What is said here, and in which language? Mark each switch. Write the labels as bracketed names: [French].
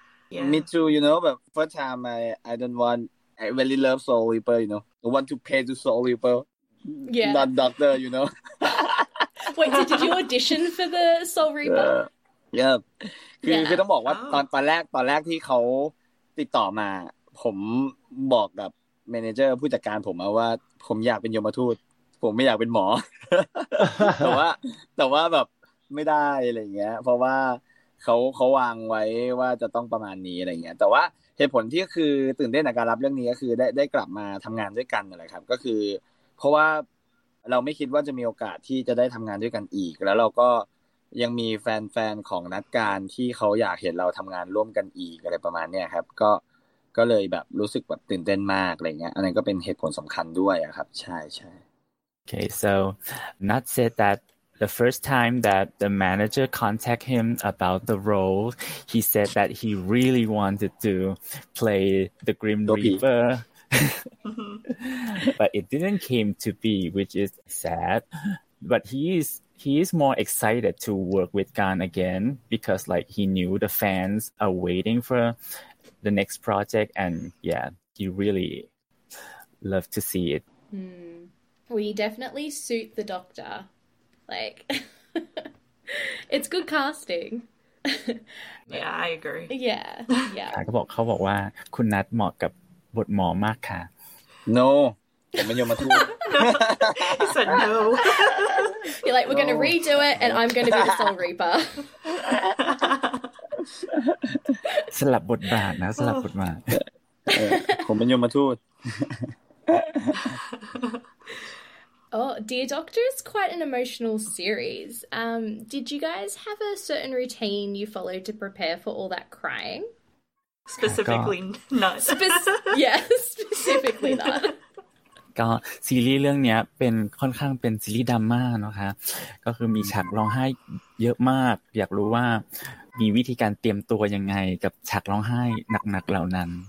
[English] Yeah. Me too, you know, but first time I really love Soul Reaper, you know. I want to pay to Soul Reaper. Yeah. Not Doctor, you know. Wait, so did you audition for the Soul Reaper? [Thai] คือต้องบอกว่าตอนแรกที่เขาติดต่อมาผมบอกกับเมเนเจอร์ผู้จัดการผมว่าผมอยากเป็นยมทูตผมไม่อยากเป็นหมอ แต่ว่าแบบไม่ได้อะไรเงี้ยเพราะว่า เขาวางไว้ว่าจะต้องประมาณนี้อะไรเงี้ยแต่ว่าเหตุผลที่คือตื่นเต้นในการรับเรื่องนี้ก็คือได้กลับมาทำงานด้วยกันอะไรครับก็คือเพราะว่าเราไม่คิดว่าจะมีโอกาสที่จะได้ทำงานด้วยกันอีกแล้วเราก็ยังมีแฟนๆของนัดการที่เขาอยากเห็นเราทำงานร่วมกันอีกอะไรประมาณเนี้ยครับก็เลยแบบรู้สึกแบบตื่นเต้นมากอะไรเงี้ยอันนั้นก็เป็นเหตุผลสำคัญด้วยครับใช่ [English] Okay, so Nat said that the first time that the manager contact him about the role, he said that he really wanted to play the Grim Reaper. But it didn't came to be, which is sad. But he is more excited to work with Gan again because like he knew the fans are waiting for the next project and yeah, he really loved to see it. Mm. We definitely suit the Doctor. Like, it's good casting. Yeah, I agree. Yeah. [Thai] เขาบอกว่าคุณนัทเหมาะกับบทหมอมากค่ะ No. ผมไม่ยอมมาทูต [English] He said no. You're like, we're going to redo it and I'm going to be the Soul Reaper. [Thai] สลับบทบาทนะสลับบทบาท ผมไม่ยอมมาทูต [English] Oh, Dear Doctor is quite an emotional series. Did you guys have a certain routine you followed to prepare for all that crying? Specifically not. specifically not. [Thai] ก็ซีรีส์เรื่องเนี้ยเป็นค่อนข้างเป็นซีรีส์ดราม่าเนาะค่ะก็คือมีฉากร้องไห้เยอะมากอยากรู้ว่ามีวิธีการเตรียมตัวยังไงกับฉากร้องไห้หนักๆเหล่านั้น